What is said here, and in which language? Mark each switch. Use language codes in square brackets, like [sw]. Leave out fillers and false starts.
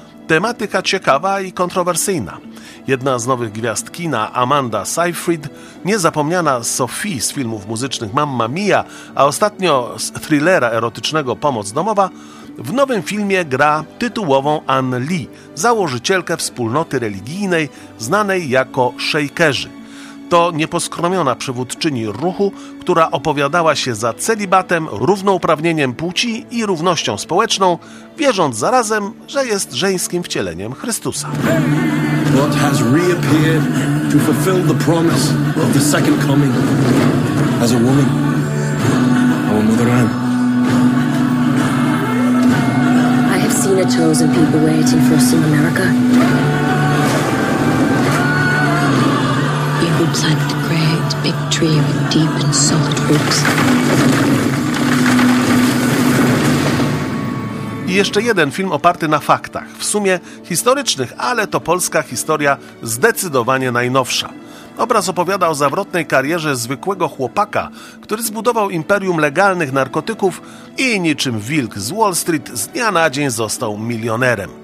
[pl] Tematyka ciekawa i kontrowersyjna. Jedna z nowych gwiazd kina, Amanda Seyfried, niezapomniana Sophie z filmów muzycznych Mamma Mia, a ostatnio z thrillera erotycznego Pomoc domowa, w nowym filmie gra tytułową Anne Lee, założycielkę wspólnoty religijnej znanej jako Shakerzy. To nieposkromiona przywódczyni ruchu, która opowiadała się za celibatem, równouprawnieniem płci i równością społeczną, wierząc zarazem, że jest żeńskim wcieleniem Chrystusa. [en] What has reappeared to fulfill the promise of the second coming as a woman, our mother Anne. I have seen a chosen people waiting for us in America. outside of the great big tree with deep and solid roots. [pl] I jeszcze jeden film oparty na faktach, w sumie historycznych, ale to polska historia zdecydowanie najnowsza. Obraz opowiada o zawrotnej karierze zwykłego chłopaka, który zbudował imperium legalnych narkotyków i niczym wilk z Wall Street z dnia na dzień został milionerem.